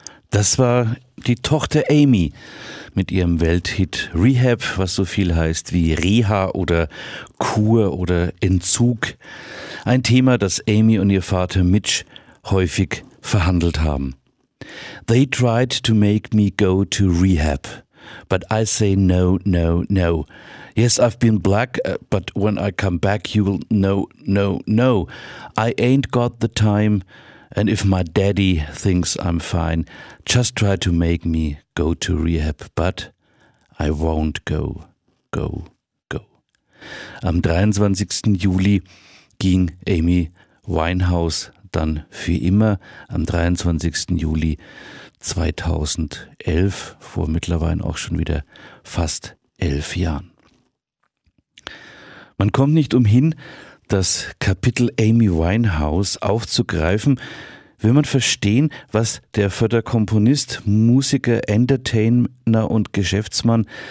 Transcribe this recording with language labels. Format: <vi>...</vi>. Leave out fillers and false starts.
<de>Das war die Tochter Amy mit ihrem Welthit Rehab, was so viel heißt wie Reha oder Kur oder Entzug. Ein Thema, das Amy und ihr Vater Mitch häufig verhandelt haben.</de> <en>They tried to make me go to rehab. but I say no, no, no. Yes, I've been black, but when I come back, you will no, no, no. I ain't got the time, and if my daddy thinks I'm fine, just try to make me go to rehab, but I won't go, go, go.</en> <de>Am 23. Juli ging Amy Winehouse dann für immer, am 23. Juli 2011, vor mittlerweile auch schon wieder fast 11 Jahren. Man kommt nicht umhin, das Kapitel Amy Winehouse aufzugreifen, wenn man verstehen, was der Förderkomponist, Musiker, Entertainer und Geschäftsmann</de>